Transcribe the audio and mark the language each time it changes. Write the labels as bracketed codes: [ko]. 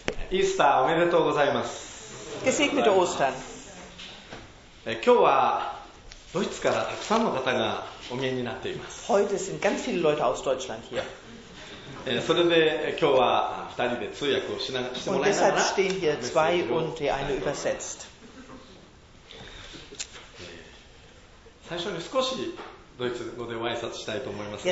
[ja] イースターおめでとうございます。 [de] Gesegnete Ostern。 [ja] 今日はドイツからたくさんの方がお見えになっています。 [de] Heute sind ganz viele Leute aus Deutschland hier。 [ja] それで今日は二人で通訳をしながら。 [de] Und deshalb stehen hier zwei und die eine übersetzt。 [ja] 最初に少しドイツ語でお挨拶したいと思いますが。